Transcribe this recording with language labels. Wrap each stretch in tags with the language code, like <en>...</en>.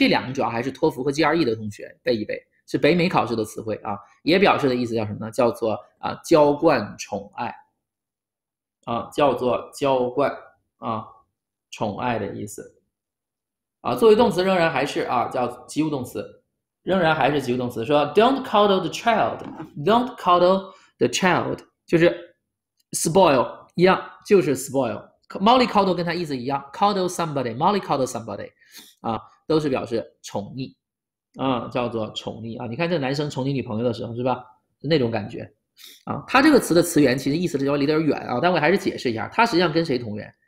<zh>这两个主要还是托福和 GRE 的同学背一背，是北美考试的词汇啊，也表示的意思叫什么呢？叫做啊娇惯宠爱啊，叫做娇惯啊宠爱的意思。啊，作为动词仍然还是啊，叫及物动词，仍然还是及物动词。</zh> <en>说 "Don't coddle the child，Don't coddle the child"，</en> <zh>就是 spoil 一样，就是 spoil。 Molly coddle 跟它意思一样，coddle somebody，Molly coddle somebody，啊，都是表示宠溺，啊，叫做宠溺啊。你看这男生宠你女朋友的时候是吧，是那种感觉，啊，它这个词的词源其实意思是稍微离得有点远啊，但我还是解释一下，它实际上跟谁同源？</zh>